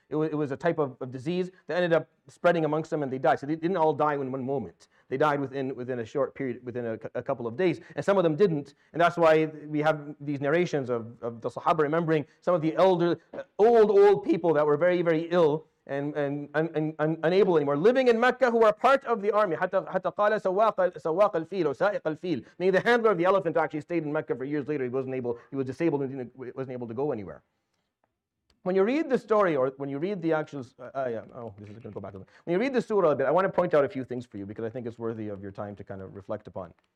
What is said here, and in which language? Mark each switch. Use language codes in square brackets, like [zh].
[en] It was a type of disease that ended up spreading amongst them, and they died. So they didn't all die in one moment. They died within a short period, within a couple of days. And some of them didn't. And that's why we have these narrations of the Sahaba remembering some of the old people that were very, very ill and unable anymore, living in Mecca, who are part of the army. [ar] حتى قال سواق الفيل أو سائق الفيل. [en] Meaning the handler of the elephant actually stayed in Mecca for years later. He was disabled and wasn't able to go anywhere. When you read the story, or when you read the actual, this is going to go back. When you read the surah a bit, I want to point out a few things for you, because I think it's worthy of your time to kind of reflect upon.